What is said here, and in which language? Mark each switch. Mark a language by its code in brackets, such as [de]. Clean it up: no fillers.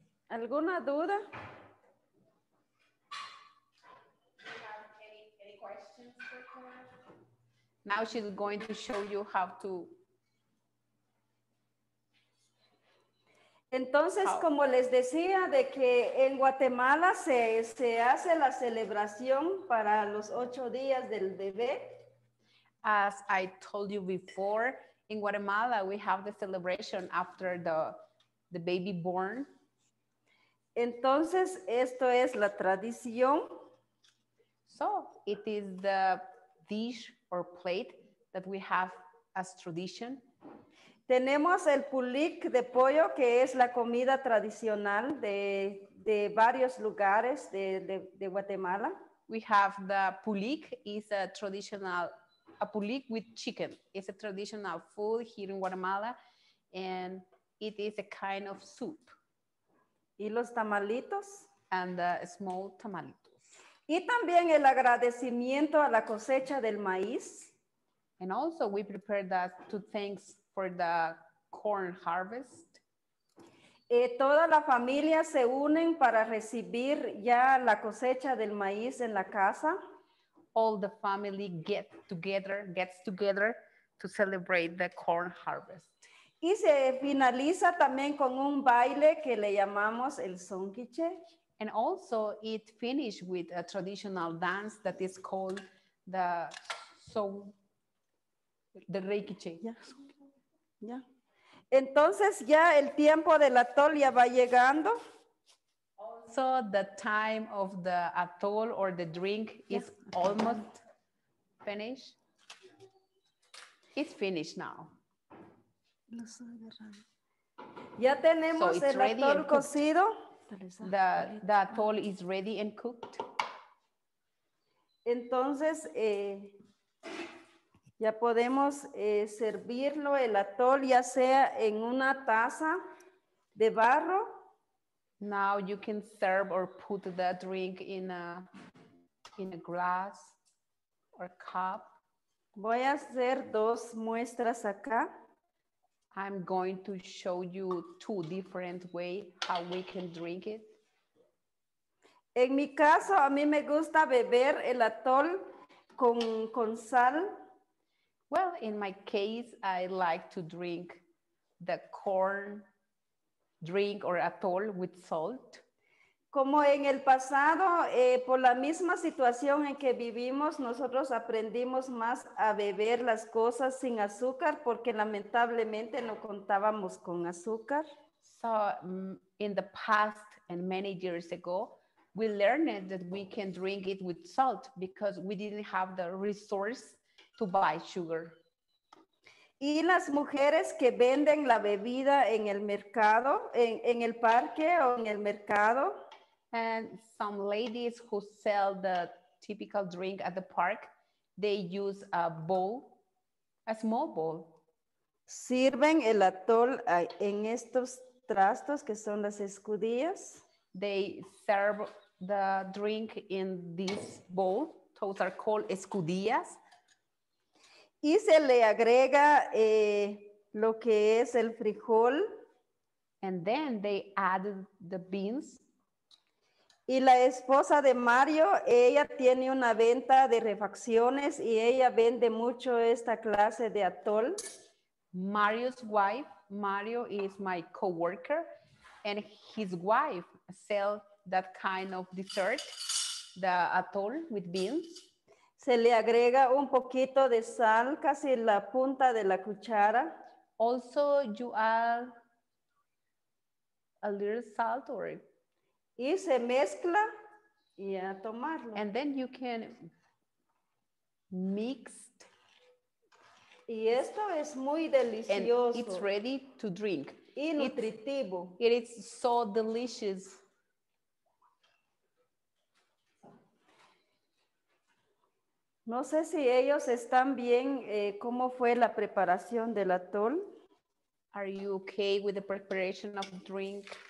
[es] ¿Alguna duda? [en] Now she's going to show you how to. [es] Entonces, [en] how. [es] Como les decía, de que en Guatemala se hace la celebración para los 8 días del bebé. [en] As I told you before, in Guatemala we have the celebration after the baby born. [es] Entonces, esto es la tradición. [en] So, it is the dish or plate that we have as tradition. [es] Tenemos el pulik de pollo, que es la comida tradicional de varios lugares de Guatemala. [en] We have the pulik, is a traditional, a pulik with chicken. It's a traditional food here in Guatemala, and it is a kind of soup. [es] Y los tamalitos. [en] And the small tamalitos. [es] Y también el agradecimiento a la cosecha del maíz. [en] And also we prepare that to thanks for the corn harvest. [es] Toda la familia se unen para recibir ya la cosecha del maíz en la casa. [en] All the family gets together to celebrate the corn harvest. [es] Y se finaliza también con un baile que le llamamos el son quiche. [en] And also it finishes with a traditional dance that is called the son, the rey quiche. Yeah. [es] Entonces ya el tiempo del atol ya va llegando. [en] Also the time of the atol or the drink is almost finished. It's finished now. [es] Ya tenemos el atol cocido. [en] The atol is ready and cooked. [es] Entonces ya podemos servirlo el atol ya sea en una taza de barro. [en] Now you can serve or put the drink in a glass or cup. [es] Voy a hacer dos muestras acá. [en] I'm going to show you 2 different ways how we can drink it. [es] En mi caso, a mí me gusta beber el atol con sal. [en] Well, in my case, I like to drink the corn drink or atol with salt. [es] Como en el pasado, por la misma situación en que vivimos, nosotros aprendimos más a beber las cosas sin azúcar porque lamentablemente no contábamos con azúcar. [en] So, in the past and many years ago, we learned that we can drink it with salt because we didn't have the resource to buy sugar. [es] Y las mujeres que venden la bebida en el mercado, en el parque o en el mercado. [en] And some ladies who sell the typical drink at the park, they use a bowl, a small bowl. [es] Sirven el atol en estos trastos que son las escudillas. [en] They serve the drink in this bowl. Those are called escudillas. [es] Y se le agrega lo que es el frijol. [en] And then they add the beans. [es] Y la esposa de Mario, ella tiene una venta de refacciones y ella vende mucho esta clase de atol. [en] Mario's wife, Mario is my coworker, and his wife sells that kind of dessert, the atol with beans. [es] Se le agrega un poquito de sal, casi la punta de la cuchara. [en] Also, you add a little salt or... [es] Y se mezcla y a tomarlo. [en] And then you can mix. [es] Y esto es muy delicioso. [en] And it's ready to drink. [es] Y nutritivo. [en] It is so delicious. [es] Y No sé si ellos están bien, ¿cómo fue la preparación del atol? [en] Are you okay with the preparation of drink?